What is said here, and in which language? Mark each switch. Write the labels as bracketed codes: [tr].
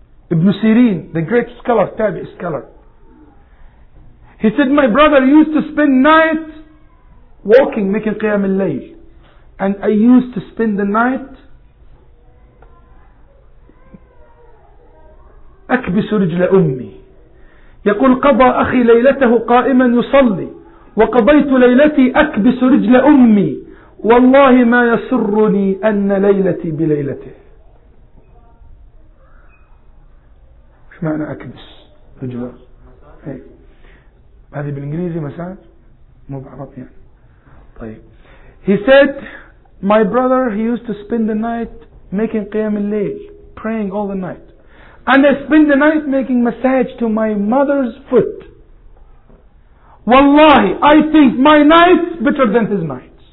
[en] Ibn Sirin, the great scholar, Tabi scholar. He said, my brother used to spend night walking, making qiyam al-layl. And I used to spend the night [ar] أكبس رجل أمي. يقول قضى أخي ليلته قائما يصلي وقضيت ليلتي أكبس رجل أمي والله ما يسرني أن ليلتي بليلته. ما معنى أكبس رجل؟ هذه بالإنجليزي مساج مو بعربي يعني. طيب [en] He said, my brother, he used to spend the night making Qiyam al-Layl, praying all the night. And I spend the night making massage to my mother's foot. Wallahi, I think my nights better than his nights.